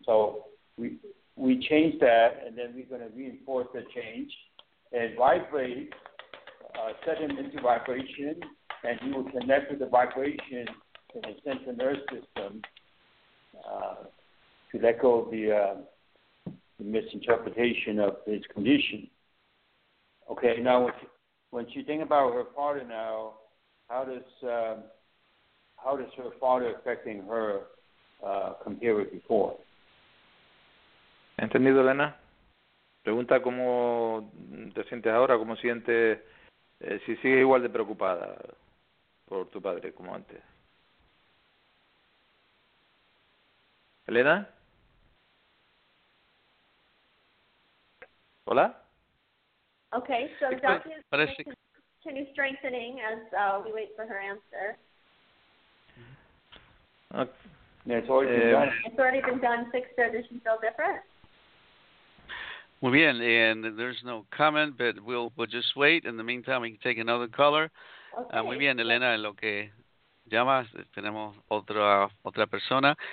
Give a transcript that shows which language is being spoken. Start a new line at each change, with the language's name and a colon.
English: So we change that, and then we're going to reinforce the change and vibrate, set him into vibration, and he will connect with the vibration in the central nervous system to let go of the misinterpretation of his condition. Okay, now when she thinks about her father now, how does her father affecting her compare with before?
Spanish: ¿Entendido, Elena? Pregunta cómo te sientes ahora, cómo sientes, si sigues igual de preocupada por tu padre como antes. ¿Elena? ¿Hola?
English: Okay, so Dr. is continue strengthening as we wait for her answer. Okay. Yeah, it's already been done. 6 days, does she feel different?
Spanish: Muy bien,
English: and there's no comment, but we'll just wait. In the meantime, we can take another caller. Okay.
Spanish: Muy bien, Elena, en lo que llamas, tenemos otra persona.